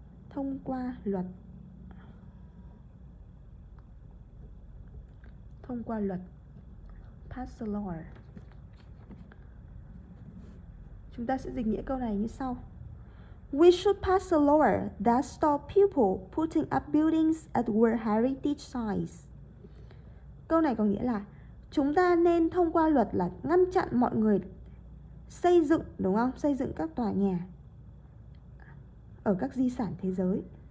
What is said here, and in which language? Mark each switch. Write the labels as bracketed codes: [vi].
[vi] Thông qua luật. Thông qua luật. [en] Pass along. [vi] Chúng ta sẽ dịch nghĩa câu này như sau. [en] We should pass a law that stops people putting up buildings at World Heritage Sites. [vi] Câu này có nghĩa là chúng ta nên thông qua luật là ngăn chặn mọi người xây dựng, đúng không? Xây dựng các tòa nhà ở các di sản thế giới.